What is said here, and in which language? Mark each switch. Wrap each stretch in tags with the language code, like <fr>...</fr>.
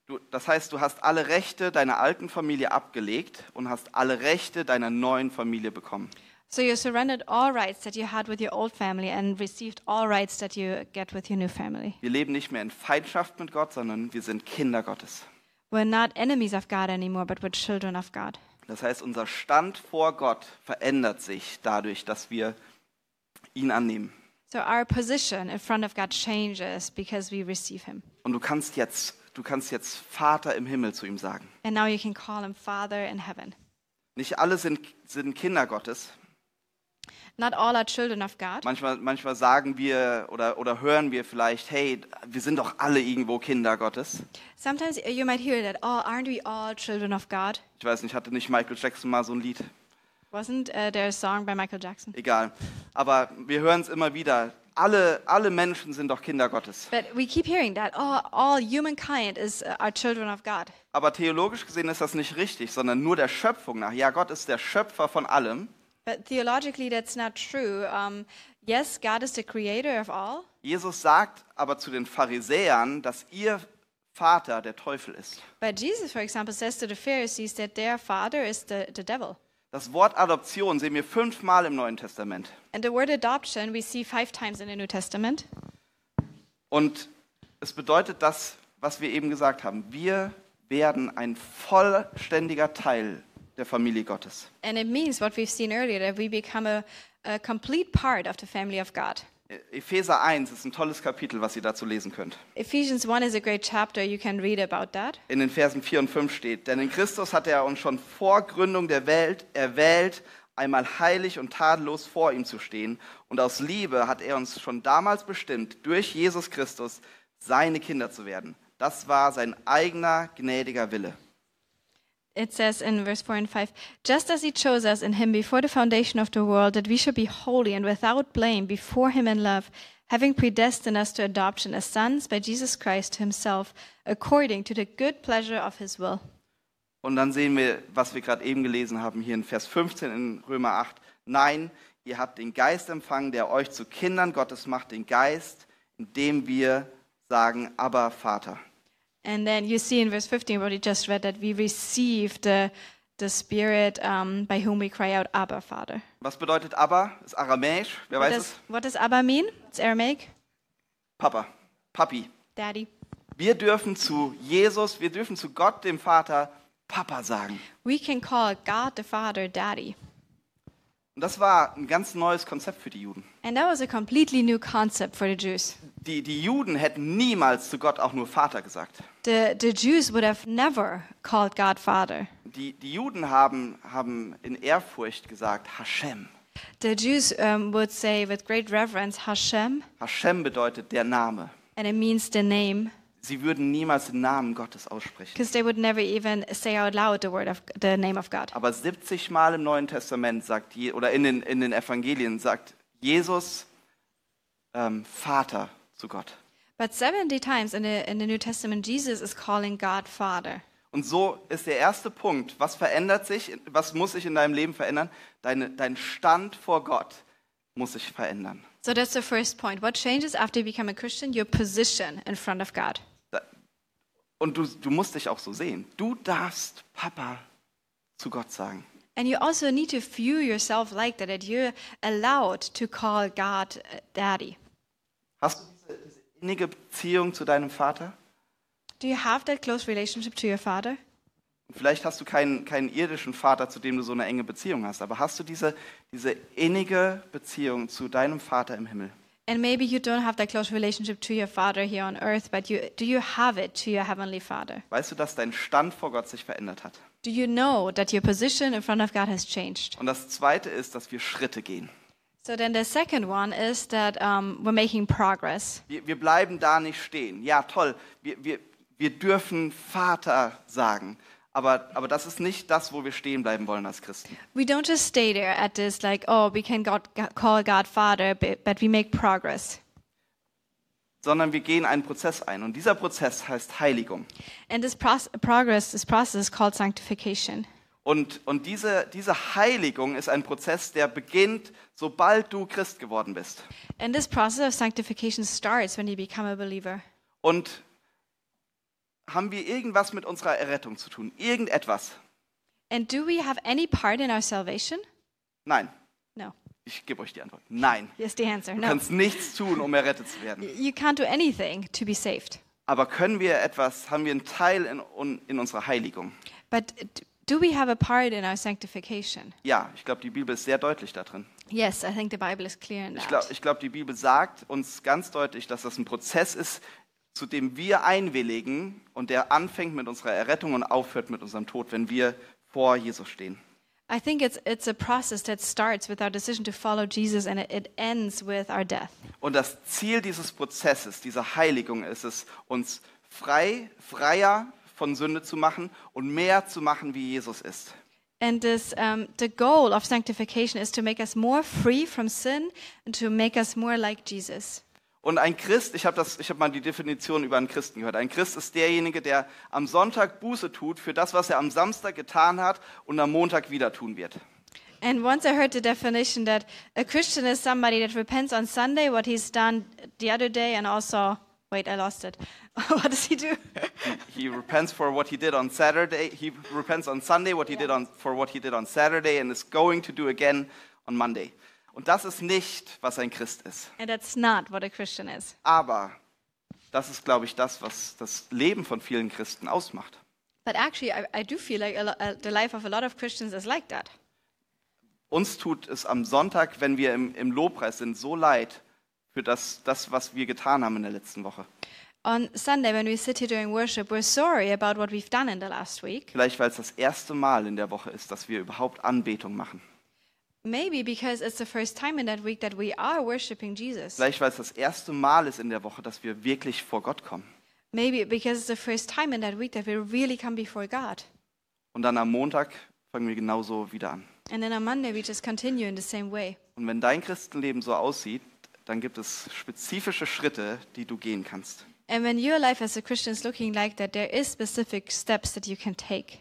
<de>Das heißt, du hast alle Rechte deiner alten Familie abgelegt und hast alle Rechte deiner neuen Familie bekommen.</de> <en>So you surrendered all rights that you had with your old family and received all rights that you get with your new family.</en> <de>Wir leben nicht mehr in Feindschaft mit Gott, sondern wir sind Kinder Gottes.</de> <en>We're not enemies of God anymore, but we're children of God.</en> <de>Das heißt, unser Stand vor Gott verändert sich dadurch, dass wir ihn annehmen.</de> <en>So our position in front of God changes because we receive him.</en> <de>Und du kannst jetzt Vater im Himmel zu ihm sagen.</de> <en>And now you can call him Father in heaven.</en> <de>Nicht alle sind Kinder Gottes.</de> <en>Not all are children of God.</en> <de>Manchmal sagen wir oder hören wir vielleicht, hey, wir sind doch alle irgendwo Kinder Gottes.</de> <en>Sometimes you might hear that, oh, aren't we all children of God?</en> <de>Ich weiß nicht, hatte nicht Michael Jackson mal so ein Lied?</de> <en>Wasn't there a song by Michael Jackson?</en> <de>Egal, aber wir hören es immer wieder. Alle Menschen sind doch Kinder Gottes.</de> <en>But we keep hearing that, oh, all humankind is our children of God.</en> <de>Aber theologisch gesehen ist das nicht richtig, sondern nur der Schöpfung nach. Ja, Gott ist der Schöpfer von allem.</de> <en>But theologically, that's not true. Yes, God is the creator of all.</en> <de>Jesus sagt aber zu den Pharisäern, dass ihr Vater der Teufel ist.</de> <en>But Jesus, for example, says to the Pharisees that their father is the devil.</en> <de>Das Wort Adoption sehen wir fünfmal im Neuen Testament.</de> <en>And the word adoption we see five times in the New Testament.</en> <de>Und es bedeutet das, was wir eben gesagt haben. Wir werden ein vollständiger Teil der Familie Gottes.</de> <en>And it means what we've seen earlier, that we become a complete part of the family of God.</en> <de>Epheser 1 ist ein tolles Kapitel, was ihr dazu lesen könnt.</de> <en>Ephesians 1 is a great chapter, you can read about that.</en> <de>In den Versen 4 und 5 steht, denn in Christus hat er uns schon vor Gründung der Welt erwählt, einmal heilig und tadellos vor ihm zu stehen. Und aus Liebe hat er uns schon damals bestimmt, durch Jesus Christus seine Kinder zu werden. Das war sein eigener gnädiger Wille.</de> <en>It says in verse 4 and 5, just as he chose us in him before the foundation of the world, that we should be holy and without blame before him in love, having predestined us to adoption as sons by Jesus Christ himself, according to the good pleasure of his will.</en> <de>Und dann sehen wir, was wir gerade eben gelesen haben, hier in Vers 15 in Römer 8. Nein, ihr habt den Geist empfangen, der euch zu Kindern Gottes macht, den Geist, in dem wir sagen, Abba, Vater.</de> <en>And then you see in verse 15, what we just read, that we receive the Spirit by whom we cry out, Abba, Father.</en> <de>Was bedeutet Abba? Ist Aramäisch. Wer</de> <en>what</en> <de>weiß es?</de> <en>What does Abba mean? It's Aramaic.</en> <de>Papa. Papi.</de> <en>Daddy.</en> <de>Wir dürfen zu Jesus, wir dürfen zu Gott, dem Vater, Papa sagen.</de> <en>We can call God the Father, Daddy.</en> <de>Und das war ein ganz neues Konzept für die Juden.</de> <en>And that was a completely new concept for the Jews.</en> <de>Die Juden hätten niemals zu Gott auch nur Vater gesagt.</de> <en>The Jews would have never called God Father.</en> <de>Die Juden haben in Ehrfurcht gesagt, Hashem.</de> <en>The Jews would say with great reverence, Hashem.</en> <de>Hashem bedeutet der Name.</de> <en>And it means the name.</en> <de>Sie würden niemals den Namen Gottes aussprechen.</de> <en>Because they would never even say out loud the name of God.</en> <de>Aber 70 Mal im Neuen Testament sagt oder in den Evangelien sagt Jesus Vater zu Gott.</de> <en>But 70 times in the New Testament Jesus is calling God Father.</en> <de>Und so ist der erste Punkt, was verändert sich, was muss sich in deinem Leben verändern? Dein Stand vor Gott muss sich verändern.</de> <en>So that's the first point. What changes after you become a Christian? Your position in front of God.</en> <de>Und du musst dich auch so sehen. Du darfst Papa zu Gott sagen.</de> <en>And you also need to view yourself like that you're allowed to call God Daddy.</en> <de>Hast du diese innige Beziehung zu deinem Vater?</de> <en>Do you have that close relationship to your father?</en> <de>Vielleicht hast du keinen irdischen Vater, zu dem du so eine enge Beziehung hast, aber hast du diese innige Beziehung zu deinem Vater im Himmel?</de> <en>And maybe you don't have that close relationship to your father here on earth, but do you have it to your heavenly father?</en> <de>Weißt du, dass dein Stand vor Gott sich verändert hat?</de> <en>Do you know that your position in front of God has changed?</en> <de>Und das zweite ist, dass wir Schritte gehen.</de> <en>So then the second one is that we're making progress.</en> <de>Wir bleiben da nicht stehen. Ja, toll. Wir dürfen Vater sagen. Aber das ist nicht das, wo wir stehen bleiben wollen als Christen.</de> <en>We don't just stay there at this, like, oh, we can call God Father, but we make progress.</en> <de>Sondern wir gehen einen Prozess ein. Und dieser Prozess heißt Heiligung.</de> <en>And this process is called sanctification.</en> <de>Und diese Heiligung ist ein Prozess, der beginnt, sobald du Christ geworden bist.</de> <en>And this process of sanctification starts when you become a believer.</en> <de>Und haben wir irgendwas mit unserer Errettung zu tun? Irgendetwas?</de> <en>And do we have any part in our salvation?</en> <de>Nein.</de> <en>No.</en> <de>Ich gebe euch die Antwort. Nein.</de> <en>Yes, the answer.</en> <de>Du kannst nichts tun, um errettet zu werden.</de> <en>You can't do anything to be saved.</en> <de>Aber können wir etwas, haben wir einen Teil in unserer Heiligung?</de> <en>But do we have a part in our sanctification?</en> <de>Ja, ich glaube, die Bibel ist sehr deutlich da drin.</de> <en>Yes, I think the Bible is clear in that.</en> <de>Ich glaub, die Bibel sagt uns ganz deutlich, dass das ein Prozess ist, zu dem wir einwilligen und der anfängt mit unserer Errettung und aufhört mit unserem Tod, wenn wir vor Jesus stehen.</de> <en>I think it's a process that starts with our decision to follow Jesus and it ends with our death.</en> <de>Und das Ziel dieses Prozesses, dieser Heiligung, ist es, uns freier von Sünde zu machen und mehr zu machen, wie Jesus ist.</de> <en>And this the goal of sanctification is to make us more free from sin and to make us more like Jesus.</en> <de>Und ein Christ, ich habe mal die Definition über einen Christen gehört. Ein Christ ist derjenige, der am Sonntag Buße tut für das, was er am Samstag getan hat und am Montag wieder tun wird.</de> <en>And once I heard the definition that a Christian is somebody that repents on Sunday what he's done the other day and also wait, I lost it. What does he do? He repents for what he did on Saturday. He repents on Sunday what he did on for what he did on Saturday and is going to do again on Monday.</en> <de>Und das ist nicht, was ein Christ ist.</de> <en>And that's not what a Christian is.</en> <de>Aber das ist, glaube ich, das, was das Leben von vielen Christen ausmacht.</de> <en>But actually, I do feel like the life of a lot of Christians is like that.</en> <de>Uns tut es am Sonntag, wenn wir im Lobpreis sind, so leid für das, was wir getan haben in der letzten Woche.</de> <en>On Sunday, when we sit here during worship, we're sorry about what we've done in the last week.</en> <de>Vielleicht, weil es das erste Mal in der Woche ist, dass wir überhaupt Anbetung machen.</de> <en>Maybe because it's the first time in that week that we are worshiping Jesus.</en> <de>Vielleicht weil es das erste Mal ist in der Woche, dass wir wirklich vor Gott kommen.</de> <en>Maybe because it's the first time in that week that we really come before God.</en> <de>Und dann am Montag fangen wir genauso wieder an.</de> <en>And then on Monday we just continue in the same way.</en> <de>Und wenn dein Christenleben so aussieht, dann gibt es spezifische Schritte, die du gehen kannst.</de> <en>And when your life as a Christian is looking like that, there is specific steps that you can take.</en>